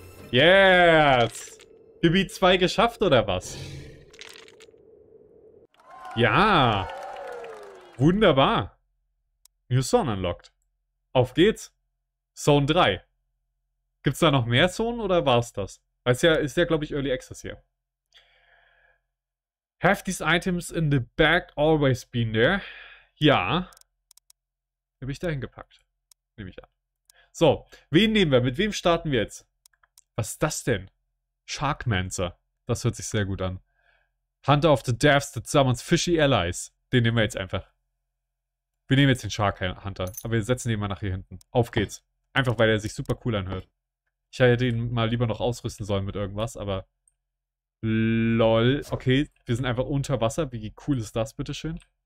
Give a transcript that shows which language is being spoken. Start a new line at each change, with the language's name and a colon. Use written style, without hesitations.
German: Yes! Gebiet 2 geschafft, oder was? Ja! Wunderbar!
English: New Zone unlocked.
German: Auf geht's! Zone 3. Gibt's da noch mehr Zonen, oder war's das? Ist ja, glaube ich, Early Access hier.
English: Have these items in the bag always been there?
German: Ja. Habe ich da hingepackt. Nehme ich an. So, wen nehmen wir? Mit wem starten wir jetzt? Was ist das denn? Sharkmancer. Das hört sich sehr gut an.
English: Hunter of the Deaths, that summons fishy allies.
German: Den nehmen wir jetzt einfach. Wir nehmen jetzt den Shark Hunter. Aber wir setzen den mal nach hier hinten. Auf geht's. Einfach, weil er sich super cool anhört. Ich hätte ihn mal lieber noch ausrüsten sollen mit irgendwas, aber... Lol. Okay, wir sind einfach unter Wasser. Wie cool ist das, bitteschön?